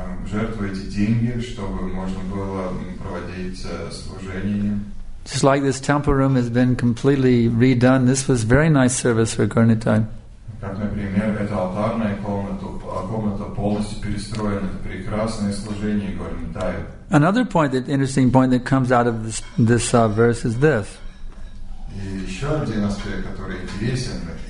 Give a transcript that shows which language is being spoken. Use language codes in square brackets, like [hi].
[ru] Жертвуйте деньги, чтобы можно было проводить служение. [en] Just like this temple room has been completely redone, this was very nice service for Garnitai. [ru] Как, например, эта алтарная комната полностью перестроена, это прекрасное служение Garnitai. [en] Another point, that interesting point that comes out of this verse is this. [ru] И еще один аспект, который интересен.